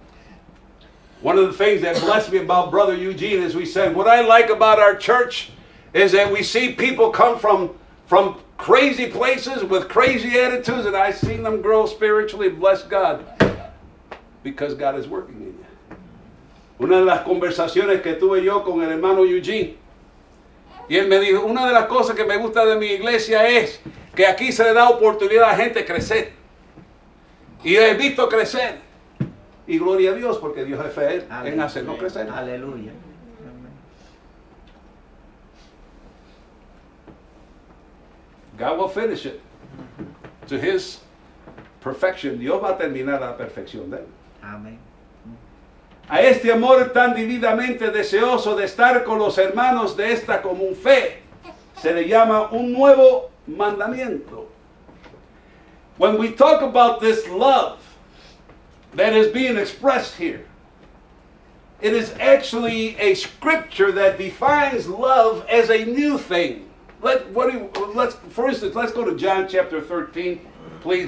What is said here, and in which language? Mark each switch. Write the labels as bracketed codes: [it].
[en] Amen. One of the things that blessed me about Brother Eugene, as we said, what I like about our church is that we see people come from crazy places with crazy attitudes, and I've seen them grow spiritually. Bless God. Because God is working in you. [es] Una de las conversaciones que tuve yo con el hermano Eugene, y él me dijo, una de las cosas que me gusta de mi iglesia es que aquí se le da oportunidad a la gente crecer. Y he visto crecer. Y gloria a Dios, porque Dios es fiel en hacerlo crecer. Aleluya. [en] God will finish it to his perfection. [es] Dios va a terminar la perfección de él. Amén. A este amor tan vividamente deseoso de estar con los hermanos de esta común fe, se le llama un nuevo mandamiento. [en] When we talk about this love that is being expressed here, it is actually a scripture that defines love as a new thing. For instance, let's go to John chapter 13, please.